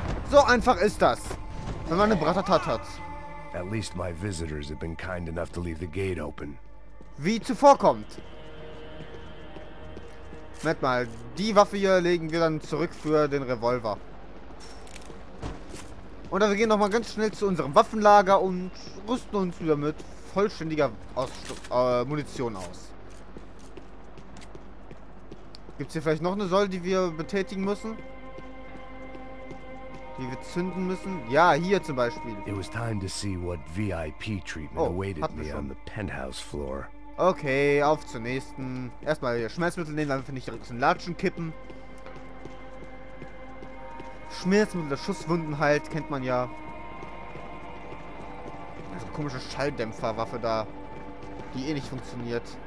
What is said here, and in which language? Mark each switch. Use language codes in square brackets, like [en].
[de] So einfach ist das, wenn man eine Bratatat hat. [en] At least my visitors have been kind enough to leave the gate open. [de] Wie zuvorkommt. Moment mal, die Waffe hier legen wir dann zurück für den Revolver. Und dann wir gehen nochmal ganz schnell zu unserem Waffenlager und rüsten uns wieder mit vollständiger Munition aus. Gibt es hier vielleicht noch eine Säule, die wir betätigen müssen? Die wir zünden müssen? Ja, hier zum Beispiel. [en] It was time to see what VIP treatment awaited me on the penthouse floor. [de] Okay, auf zur nächsten. Erstmal hier Schmerzmittel nehmen, dann finde ich direkt zum Latschen kippen. Schmerzmittel, der Schusswunden halt, kennt man ja. Also komische Schalldämpferwaffe da, die eh nicht funktioniert.